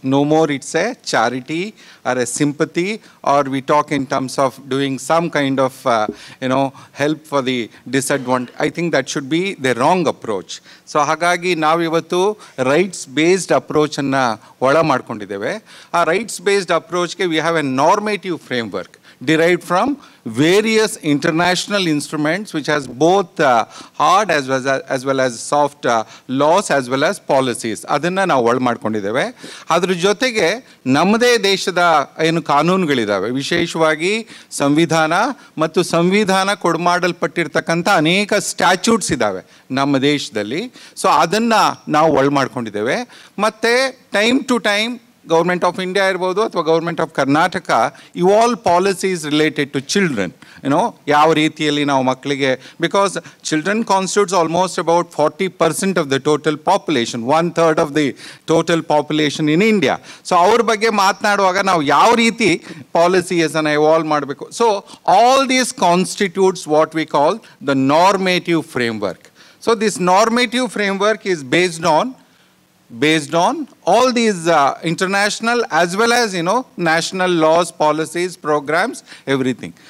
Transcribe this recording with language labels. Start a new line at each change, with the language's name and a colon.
English: No more it's a charity or a sympathy or we talk in terms of doing some kind of you know help for the disadvantaged. I think that should be the wrong approach. So
Kannada: ಹಾಗಾಗಿ ನಾವಿವತ್ತು rights based ಅಪ್ರೋಚನ್ನು ಒಳ ಮಾಡಿಕೊಂಡಿದ್ದೇವೆ. ಆ rights based ಅಪ್ರೋಚ್ಗೆ
English: We have a normative framework derived from various international instruments which has both hard as well as soft laws as well as policies.
Kannada: ಅದನ್ನು ನಾವು ಒಳ ಮಾಡ್ಕೊಂಡಿದ್ದೇವೆ. ಅದರ ಜೊತೆಗೆ ನಮ್ಮದೇ ದೇಶದ ಏನು ಕಾನೂನುಗಳಿದ್ದಾವೆ, ವಿಶೇಷವಾಗಿ ಸಂವಿಧಾನ ಮತ್ತು ಸಂವಿಧಾನ ಕೊಡಮಾಡಲ್ಪಟ್ಟಿರ್ತಕ್ಕಂಥ ಅನೇಕ ಸ್ಟ್ಯಾಚ್ಯೂಟ್ಸ್ ಇದ್ದಾವೆ ನಮ್ಮ ದೇಶದಲ್ಲಿ.
English: so
Kannada: ಅದನ್ನು ನಾವು ಒಳ ಮಾಡ್ಕೊಂಡಿದ್ದೇವೆ. ಮತ್ತು
English: time to time government of India
Kannada: ಇರ್ಬೋದು ಅಥವಾ
English: government of Karnataka, you all policies related to children, you know
Kannada: ಯಾವ ರೀತಿಯಲ್ಲಿ ನಾವು ಮಕ್ಕಳಿಗೆ,
English: Because children constitutes almost about 40% of the total population, 1/3 of the total population in India.
Kannada: So ಅವ್ರ ಬಗ್ಗೆ ಮಾತನಾಡುವಾಗ ನಾವು ಯಾವ ರೀತಿ ಪಾಲಿಸೀಸನ್ನು ಇವಾಲ್ವ್ ಮಾಡಬೇಕು.
English: So all these constitutes what we call the normative framework. So this normative framework is based on all these international as well as you know national laws, policies, programs, everything.